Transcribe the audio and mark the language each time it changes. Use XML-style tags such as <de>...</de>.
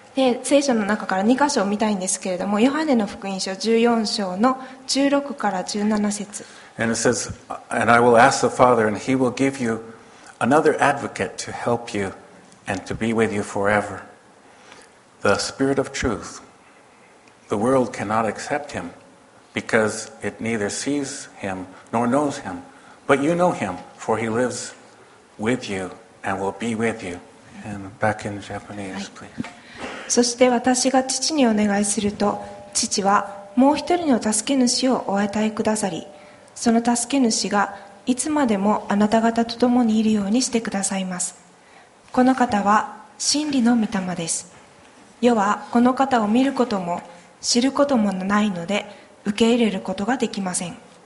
<ja>で聖書の中から2箇所を見たいんですけれども、ヨハネの福音書14章の16から17節。</ja> <en>And it says, And I will ask the Father, and he will give you another advocate to help you and to be with you forever. The Spirit of Truth. The world cannot accept him because it neither sees him nor knows him. But you know him, for he lives with you and will be with you. And back in Japanese, please.</en> <ja>そして私が父にお願いすると、父はもう一人の助け主をお与えくださり、その助け主がいつまでもあなた方と共にいるようにしてくださいます。この方は真理の御霊です。世はこの方を見ることも知ることもないので受け入れることができません。</ja>